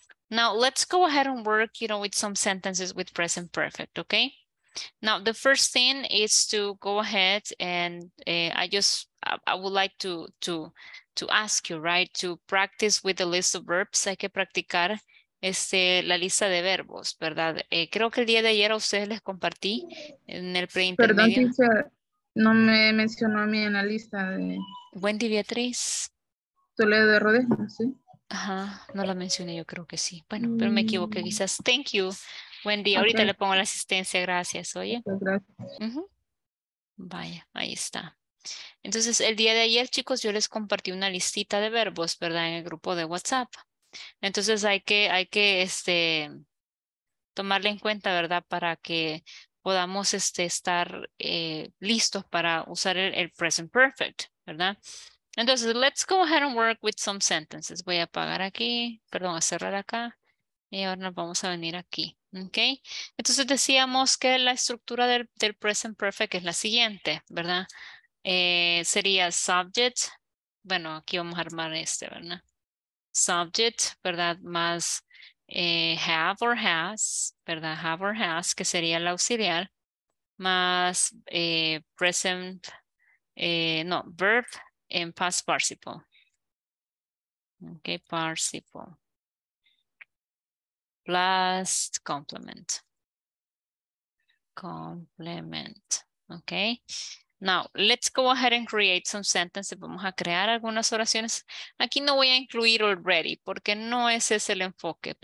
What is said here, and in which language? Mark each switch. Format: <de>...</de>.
<en>Now, let's go ahead and work, you know, with some sentences with present perfect, ok? Now, the first thing is to go ahead and I would like to ask you, right, to practice with the list of verbs.</en> <es>Hay que practicar la lista de verbos, ¿verdad? Creo que el día de ayer a ustedes les compartí en el preintermedio. Perdón, teacher, no me mencionó a mí en la lista de... Wendy Beatriz. Toledo de Rodesma, sí. Ajá, no la mencioné, yo creo que sí. Bueno, pero me equivoqué quizás.</es> <en>Thank you, Wendy.</en> <es>Ahorita le pongo la asistencia, gracias, oye. Muchas gracias. Vaya, ahí está. Entonces, el día de ayer, chicos, yo les compartí una listita de verbos, ¿verdad? En el grupo de WhatsApp. Entonces hay que tomarle en cuenta, ¿verdad? Para que podamos estar listos para usar el present perfect, ¿verdad?</es> <en>Entonces, let's go ahead and work with some sentences.</en> <es>Voy a apagar aquí, perdón, a cerrar acá. Y ahora nos vamos a venir aquí, ¿ok? Entonces decíamos que la estructura del present perfect es la siguiente, ¿verdad? Sería subject. Bueno, aquí vamos a armar ¿verdad? Subject, ¿verdad? Más have or has, ¿verdad? Have or has, que sería el auxiliar. Más present, verb en past participle.</es> <en>Ok, participle. Plus complement. Complement. Ok. Now, let's go ahead and create some sentences.</en> <es>Vamos a crear algunas oraciones. Aquí no voy a incluir already, porque no ese es el enfoque.</es>